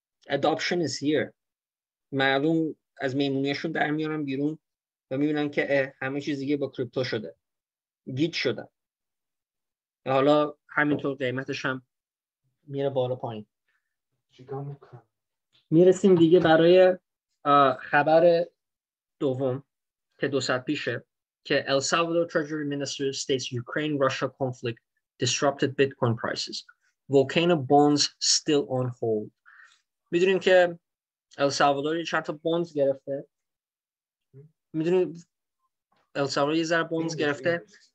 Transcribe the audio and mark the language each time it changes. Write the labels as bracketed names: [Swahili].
[English] Adoption is here، [Persian] معلوم از میمونیشون در میارن بیرون و میبینن که همه چیز دیگه با کریپتو شده، گیت شده. حالا همینطور قیمتش هم میره بالا پایین. میرسیم دیگه برای خبر دوم که 2 ساعت پیشه، که [English] El Salvador Treasury Minister states Ukraine-Russia conflict disrupted Bitcoin prices. Volcano bonds still on hold. [Persian] میدونیم که El Salvador یه چند تا bonds گرفته. میدونیم El Salvador یه ذره bonds گرفته.